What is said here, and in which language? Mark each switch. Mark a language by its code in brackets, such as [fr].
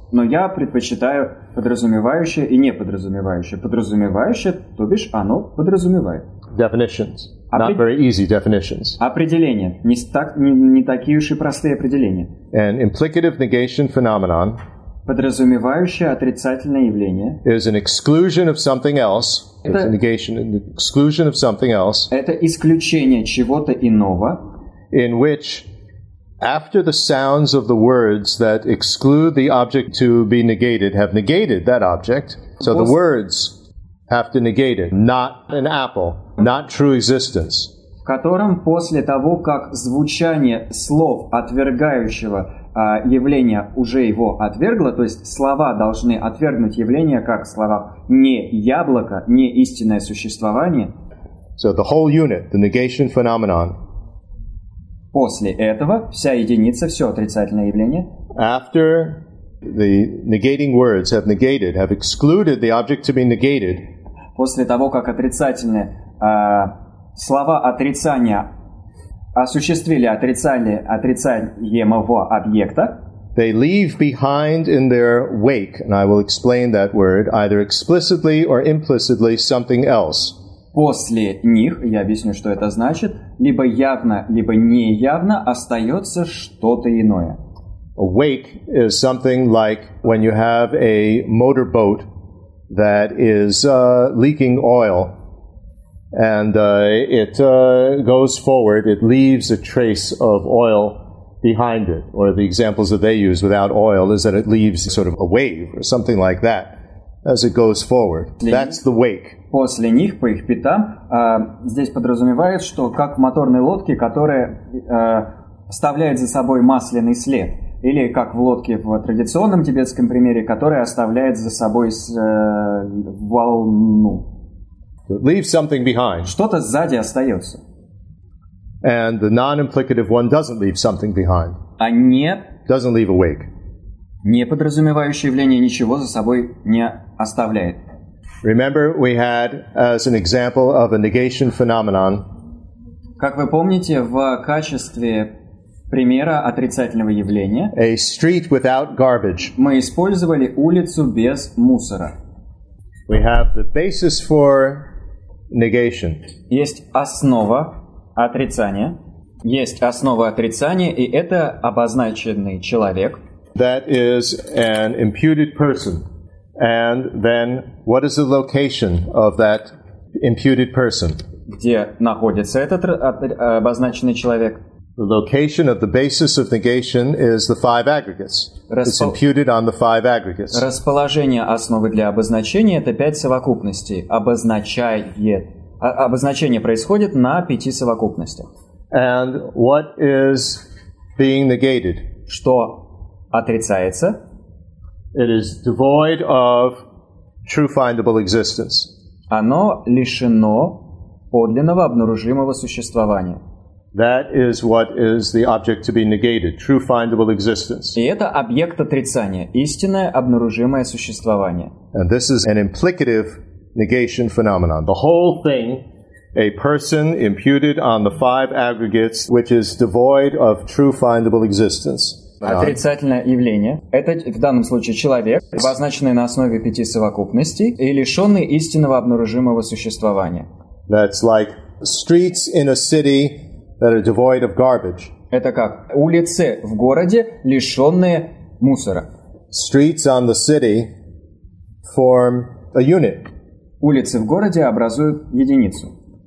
[ru] Но я предпочитаю подразумевающее и неподразумевающее. Подразумевающее, то бишь, оно подразумевает. [en] Definitions. Not very easy definitions. [ru] Определения. Не такие уж и простые определения. [en] An implicative negation phenomenon. [ru] Подразумевающее отрицательное явление. [en] Is an exclusion of something else. It's a negation, an exclusion of something else. [ru] Это исключение чего-то иного. [en] In which after the sounds of the words that exclude the object to be negated have negated that object, so the words have to negate it. Not an apple, not true existence. [ru] В котором после того, как звучание слов отвергающего явления уже его отвергло, то есть слова должны отвергнуть явление как слова не яблоко, не истинное существование. [en] So the whole unit, the negation phenomenon. [ru] После этого вся единица, все отрицательное явление. [en] After the negating words have negated, have excluded the object to be negated. [ru] После того, как отрицательные слова отрицания осуществили отрицаемого объекта. [en] They leave behind in their wake, and I will explain that word, either explicitly or implicitly something else. [ru] После них, я объясню, что это значит, либо явно, либо неявно остается что-то иное. [en] A wake is something like when you have a motorboat that is leaking oil and it goes forward, it leaves a trace of oil behind it. Or the examples that they use without oil is that it leaves sort of a wave or something like that. As it goes forward. That's the wake. [ru] После них, по их пятам, здесь подразумевает, что как в моторной лодке, которая оставляет за собой масляный след. Или как в лодке в традиционном тибетском примере, которая оставляет за собой волну. [en] Leave something behind. [ru] Что-то сзади остается. [en] And the non-implicative one doesn't leave something behind. [ru] А нет. [en] Doesn't leave a wake. [ru] Не подразумевающее явление ничего за собой не оставляет. [en] Remember, we had as an example of a negation phenomenon. [ru] Как вы помните, в качестве примера отрицательного явления. [en] A street without garbage. [ru] Мы использовали улицу без мусора. [en] We have the basis for negation. [ru] Есть основа отрицания. Есть основа отрицания, и это обозначенный человек. [en] That is an imputed person. And then, what is the location of that imputed person? [ru] Где находится этот обозначенный человек? [en] The location of the basis of negation is the five aggregates. It's imputed on the five aggregates. [ru] Расположение основы для обозначения — это пять совокупностей. Обозначает. Обозначение происходит на пяти совокупностях. [en] And what is being negated? [ru] Что отрицается? [en] It is devoid of true findable existence. [ru] Оно лишено подлинного обнаружимого существования. [en] That is what is the object to be negated, true findable existence. [ru] И это объект отрицания, истинное обнаружимое существование. [en] And this is an implicative negation phenomenon. The whole thing, a person imputed on the five aggregates, which is devoid of true findable existence. [ru] Отрицательное явление – это в данном случае человек, обозначенный на основе пяти совокупностей и лишенный истинного обнаружимого существования. [en] That's like streets in a city that are devoid of garbage. [ru] Это как улицы в городе, лишенные мусора. [en] Streets on the city form a unit. [ru] Улицы в городе образуют единицу.